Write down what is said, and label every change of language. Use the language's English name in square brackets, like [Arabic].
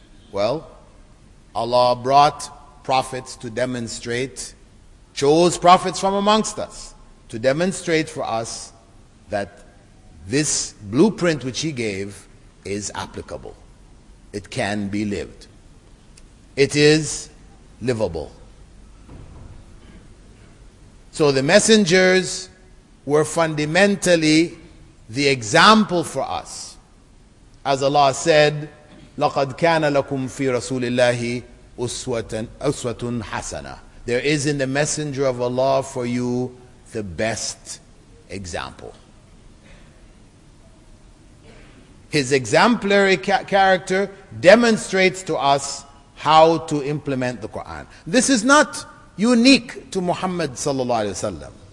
[English] Well, Allah brought prophets to demonstrate, chose prophets from amongst us to demonstrate for us that this blueprint which He gave is applicable. It can be lived. It is livable. So the messengers were fundamentally the example for us. As Allah said, [Arabic] لَقَدْ كَانَ لَكُمْ فِي رَسُولِ اللَّهِ أُسْوَةٌ حَسَنَةٌ. [English] There is in the messenger of Allah for you the best example. His exemplary character demonstrates to us how to implement the Quran. This is not unique to Muhammad sallallahu alaihi wasallam.